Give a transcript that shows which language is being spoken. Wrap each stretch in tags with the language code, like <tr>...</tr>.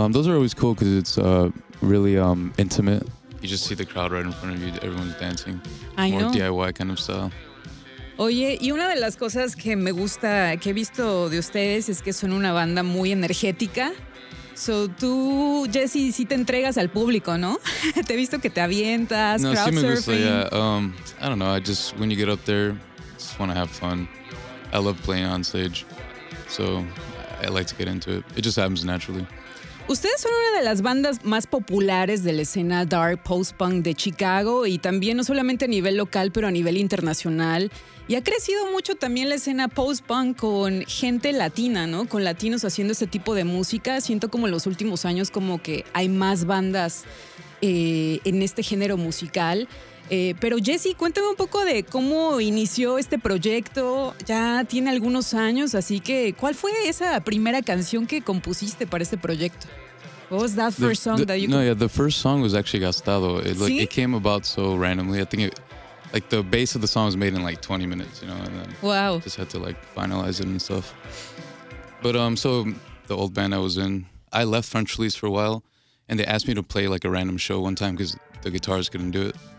<en>Those are always cool because it's really intimate. You just see the crowd right in front of you, everyone's dancing. I know. More DIY kind of style.</en> <es>Oye, y una de las cosas que me gusta, que he visto de ustedes, es que son una banda muy energética. So tú, Jesse, sí te entregas al público, ¿no? Te he visto que te avientas, no,</es> <en>crowd</en> <es>sí</es> <en>surfing.</en> <es>Me gusta, yeah.</es> <en>I don't know, I just, when you get up there, just want to have fun. I love playing on stage. So I like to get into it. It just happens naturally.</en> <es>Ustedes son una de las bandas más populares de la escena dark post-punk de Chicago y también no solamente a nivel local, pero a nivel internacional. Y ha crecido mucho también la escena post-punk con gente latina, ¿no? Con latinos haciendo este tipo de música. Siento como en los últimos años como que hay más bandas en este género musical. Pero Jesse, cuéntame un poco de cómo inició este proyecto. Ya tiene algunos años, así que ¿cuál fue esa primera canción que compusiste para este proyecto?</es> <en>What was that first song that you? No, yeah, the first song was actually Gastado. It, like,</en> <es>¿sí?</es> <en>It came about so randomly. I think it, like the base of the song was made in like 20 minutes, you know, and then wow. Just had to like finalize it and stuff. But so the old band I was in, I left French Release for a while, and they asked me to play like a random show one time because the guitarist couldn't do it.</en>